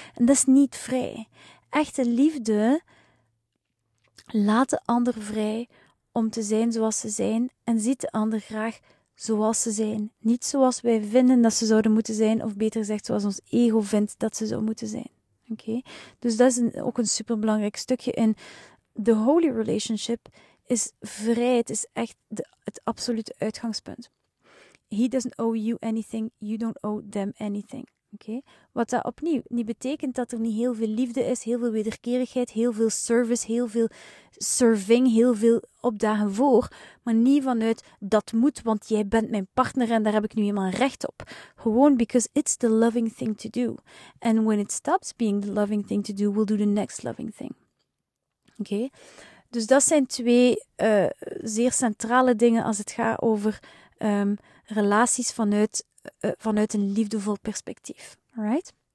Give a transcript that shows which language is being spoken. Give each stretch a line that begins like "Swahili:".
Dutch: En dat is niet vrij. Echte liefde laat de ander vrij om te zijn zoals ze zijn, en ziet de ander graag zoals ze zijn. Niet zoals wij vinden dat ze zouden moeten zijn, of beter gezegd, zoals ons ego vindt dat ze zou moeten zijn. Okay? Dus dat is ook een superbelangrijk stukje in
English: the holy relationship.
Dutch: Is vrijheid, is echt het absolute uitgangspunt.
English: He doesn't owe you anything, you don't owe them anything. Okay?
Dutch: Wat dat opnieuw niet betekent dat er niet heel veel liefde is, heel veel wederkerigheid, heel veel service, heel veel serving, heel veel opdagen voor, maar niet vanuit dat moet, want jij bent mijn partner en daar heb ik nu helemaal recht op.
English: Gewoon because it's the loving thing to do. And when it stops being the loving thing to do, we'll do the next loving thing. Oké? Okay?
Dutch: Dus dat zijn twee zeer centrale dingen als het gaat over relaties vanuit een liefdevol perspectief. Alright?